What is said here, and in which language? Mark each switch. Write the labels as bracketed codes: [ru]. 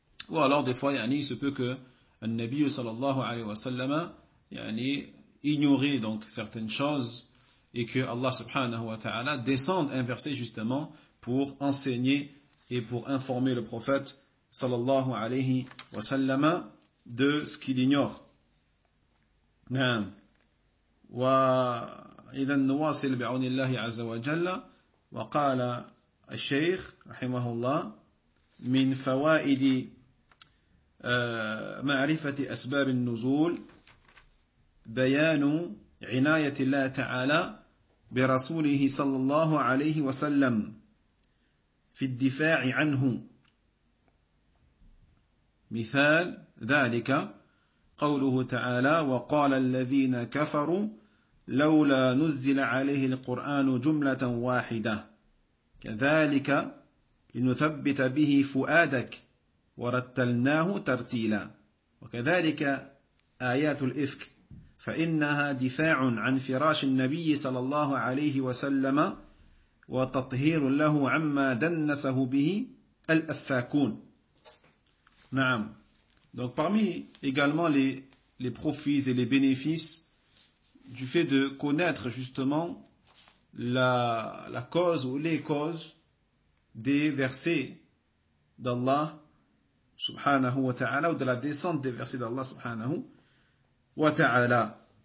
[fr] Ou alors des fois, il se peut que un Nabi sallallahu alayhi wa sallam ignorait donc certaines choses et que Allah subhanahu wa ta'ala descende un verset justement pour enseigner et pour informer le prophète sallallahu alayhi wa sallam de ce qu'il ignore. [ar] Naam. Wa idhan nuwasil bi'aunillahi azza wa jalla wa qala al-shaykh rahimahullah min fawa'idi معرفة أسباب النزول بيان عناية الله تعالى برسوله صلى الله عليه وسلم في الدفاع عنه. مثال ذلك قوله تعالى وقال الذين كفروا لولا نزل عليه القرآن جملة واحدة كذلك لنثبت به فؤادك ورتلناه ترتيلا وكذلك آيات الإفك فإنها دفاع عن فراش النبي صلى الله عليه وسلم وتطهير له عما دنسه به الأفاكون. نعم. [fr] Donc parmi également les profits et les bénéfices du fait de connaître justement la cause ou les causes des versets d'Allah subhanahu wa ta'ala ou de la descente des versets d'Allah subhanahu wa ta'ala.